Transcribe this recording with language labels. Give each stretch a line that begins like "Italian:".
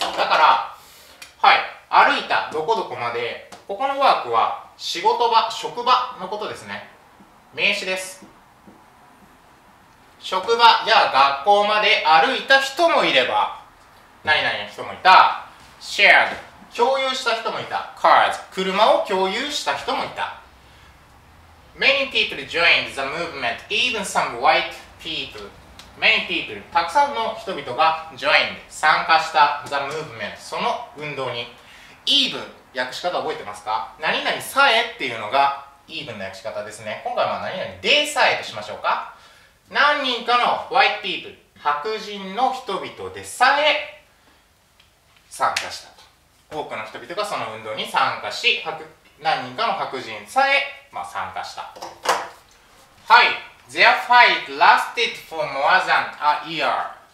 Japanese: だからはい、歩いたどこどこまで、ここのワークは仕事場、職場のことですね。名詞です。職場や学校まで歩いた人もいれば、何々の人もいた、 shared 共有した人もいた、 cars 車を共有した人もいた。
English: many people joined the movement even some white people、 many people
Japanese: たくさんの人々が
English: joined
Japanese: 参加した
English: the movement
Japanese: その運動に。 even 訳し方覚えてますか？何々さえっていうのが even の訳し方ですね。今回は何々でさえとしましょうか。何人かの
English: white people、
Japanese: 白人の人々でさえ参加したと。多くの人々がその運動に参加し、何人かの白人さえ、まあ、参加した。はい。
English: Their fight lasted for more than a year.